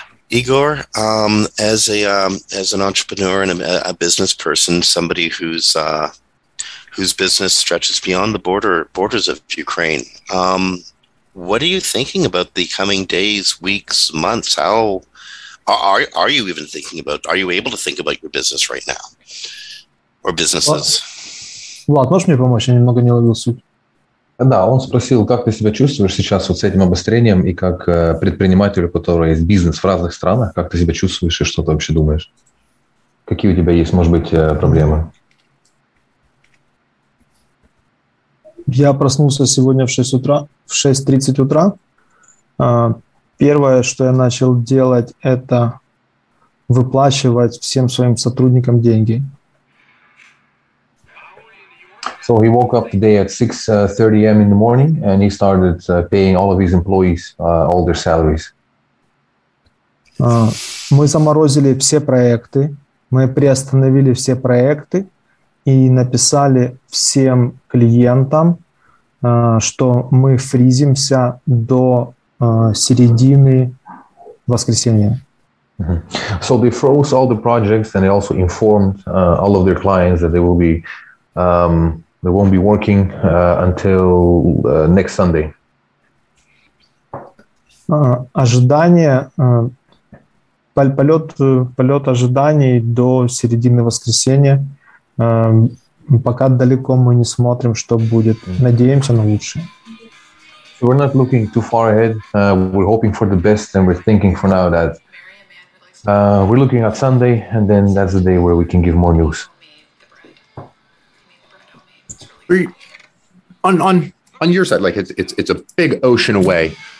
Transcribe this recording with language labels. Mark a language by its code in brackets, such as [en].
[en] Igor, as an entrepreneur and a business person, somebody who's whose business stretches beyond the borders of Ukraine. What are you thinking about the coming days, weeks, months? How are you even thinking about, are you able to think about your business right now? Or businesses? [ru] Влад, можешь мне помочь? Я немного не ловил суть. Да, он спросил, как ты себя чувствуешь сейчас вот с этим обострением и как предпринимателю, который есть бизнес в разных странах, как ты себя чувствуешь и что ты вообще думаешь? Какие у тебя есть, может быть, проблемы? Я проснулся сегодня в 6 утра, в 6:30 утра. Первое, что я начал делать, это выплачивать всем своим сотрудникам деньги. [en] So he woke up today at 6:30 a.m. in the morning and he started paying all of his employees all their salaries. [ru] Мы заморозили все проекты, мы приостановили все проекты и написали всем клиентам, что мы фризимся до середины воскресенья. Mm-hmm. [en] So they froze all the projects and they also informed all of their clients that they will be they won't be working until next Sunday. [ru] Ожидание, полет ожиданий до середины воскресенья. Пока далеко мы не смотрим, что будет. Надеемся на лучшее. [en] So we're not looking too far ahead. We're hoping for the best and we're thinking for now that we're looking at Sunday and then that's the day where we can give more news. On your side, like it's a big ocean away.